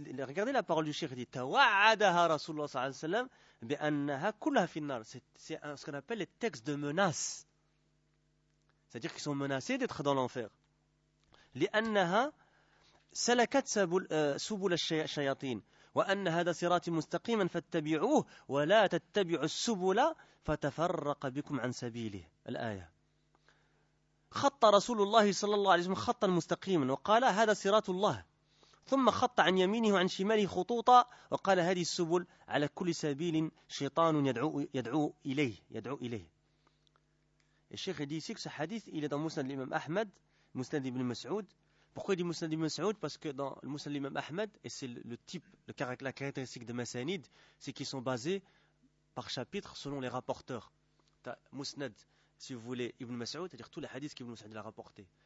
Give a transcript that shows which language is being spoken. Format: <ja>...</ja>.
<fr>Regardez la parole du cheikh, il dit,</fr> <ar>توعدها رسول الله صلى الله عليه وسلم بأنها كلها في النار.</ar> <fr>C'est ce qu'on appelle les textes de menace. C'est-à-dire qu'ils sont menacés d'être dans l'enfer.</fr> <ar>لِأَنَّهَا سَلَكَتْ سُبُلَ الشَّيَاطِينَ وَأَنَّ هَذَا صِرَاطٍ مُسْتَقِيمًا فَاتَّبِعُوهُ وَلَا تَتَّبِعُوا السُّبُلَ فَتَفَرَّقَ بِكُمْ عَنْ سَبِيلِهِ الآية. خط رسول الله صلى الله عليه وسلم خطا مستقيما وقال هذا صراط الله ثم خط عن يمينه وعن شماله خطوطا وقال هذه السبل على كل سبيل شيطان يدعو إليه.</ar> <fr>Et Cheikh dit ici que ce hadith, il est dans Musnad l'Imam Ahmed, Musnad ibn Mas'ud. Pourquoi il dit Musnad ibn Mas'ud? Parce que dans le Musnad l'Imam Ahmed, et c'est le type, la caractéristique de Masanid, c'est qu'ils sont basés par chapitre selon les rapporteurs. T'as Musnad, si vous voulez, ibn Mas'ud, c'est-à-dire tous les hadiths qu'ibn Mas'ud a rapporté.</fr>